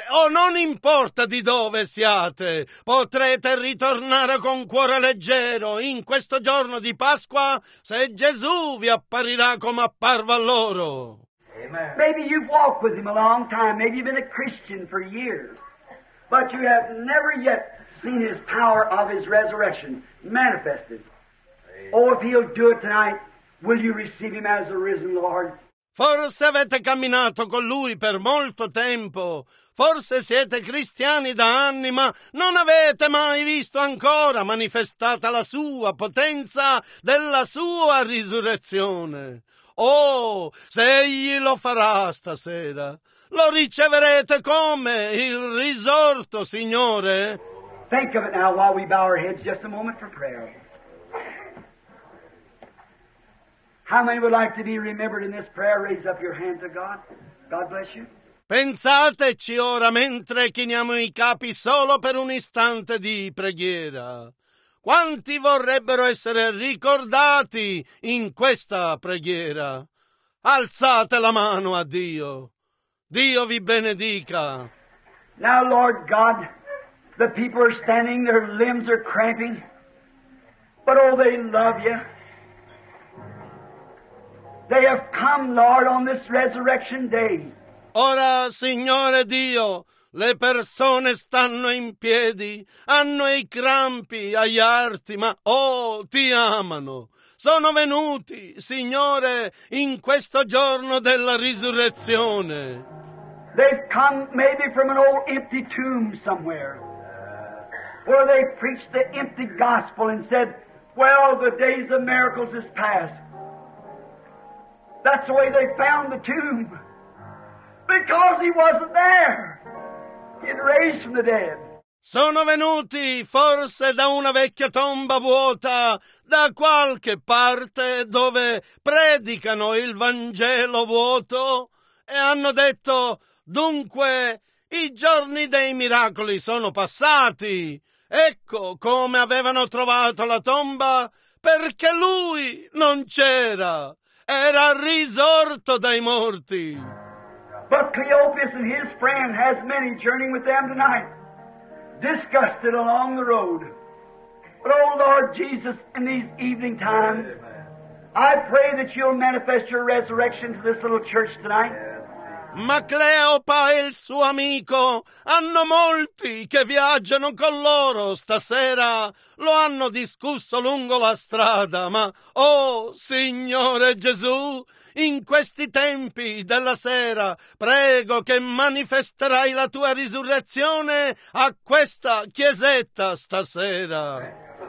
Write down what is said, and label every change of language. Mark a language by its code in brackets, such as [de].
[it] Non importa di dove siate, potrete ritornare con cuore leggero in questo giorno di Pasqua se Gesù vi apparirà come apparva loro. Amen. [en] Maybe you've walked with him a long time, maybe you've been a Christian for years, but you have never yet seen his power of his resurrection manifested. Oh, if he'll do it tonight, will you receive him as a risen Lord? [it] Forse avete camminato con lui per molto tempo. Forse siete cristiani da anni, ma non avete mai visto ancora manifestata la sua potenza della sua risurrezione. Oh, se egli lo farà stasera, lo riceverete come il risorto, Signore. [en] Think of it now while we bow our heads just a moment for prayer. How many would like to be remembered in this prayer? Raise up your hand to God. God bless you. [it] Pensateci ora mentre chiniamo i capi solo per un istante di preghiera. Quanti vorrebbero essere ricordati in questa preghiera? Alzate la mano a Dio. Dio vi benedica. [en] Now, Lord God, the people are standing, their limbs are cramping, but oh, they love you. They have come, Lord, on this resurrection day. [it] Ora, Signore Dio, le persone stanno in piedi, hanno i crampi agli arti, ma oh, ti amano. Sono venuti, Signore, in questo giorno della risurrezione. [en] They've come maybe from an old empty tomb somewhere, where they preached the empty gospel and said, well, the days of miracles is past. That's the way they found the tomb. Because he wasn't there. He'd raised from the dead. [it] Sono venuti forse da una vecchia tomba vuota, da qualche parte dove predicano il Vangelo vuoto, e hanno detto, dunque, i giorni dei miracoli sono passati. Ecco come avevano trovato la tomba, perché lui non c'era. Era risorto dai morti. [en] But Cleopas and his friend has many journeying with them tonight, disgusted along the road. But, oh Lord Jesus, in these evening times, I pray that you'll manifest your resurrection to this little church tonight. [it] Ma Cleopa e il suo amico hanno molti che viaggiano con loro stasera. Lo hanno discusso lungo la strada, ma, oh Signore Gesù, in questi tempi della sera, prego che manifesterai la tua risurrezione a questa chiesetta stasera.